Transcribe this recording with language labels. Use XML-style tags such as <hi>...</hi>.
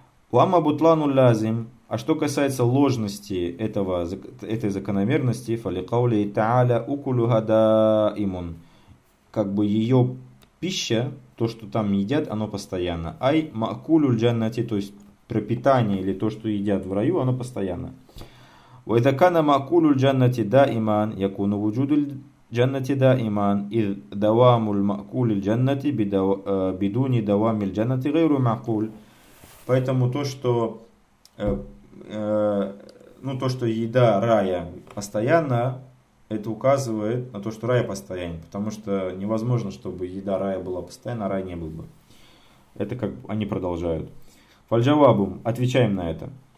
<ru>Уама бутлану лазим. А что касается ложности этой закономерности, фаликаули тааля укулю гада имун. Как бы ее пища, то, что там едят, оно постоянно. Ай макулю джаннати, то есть пропитание или то, что едят в раю, оно постоянно.</ru> <ar>وإذا كان مأكول الجنة دائما يكون وجود الجنة دائما إذ دوام المأكول الجنة بدون دوام الجنة غير معقول.</ar> <ru>Поэтому то, что то, что еда рая постоянно, это указывает на то, что рай постоянен, потому что невозможно, чтобы еда рая была постоянно, а рай не был бы. Это как они продолжают. Фальджавабум, отвечаем на это.</ru>